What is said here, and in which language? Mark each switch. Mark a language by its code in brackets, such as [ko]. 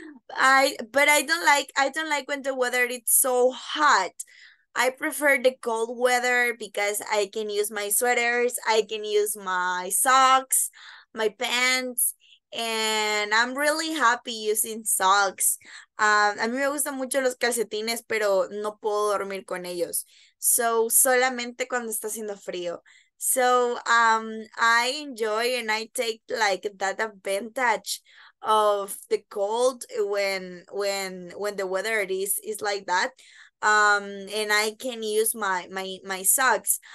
[en] I don't like when the weather is so hot. I prefer the cold weather because I can use my sweaters, I can use my socks, my pants, And I'm really happy using socks. [es] A mí me gustan mucho los calcetines, pero no puedo dormir con ellos. So, solamente cuando está haciendo frío. [en] So, I enjoy and I take like that advantage of the cold when the weather is like that. And I can use my socks.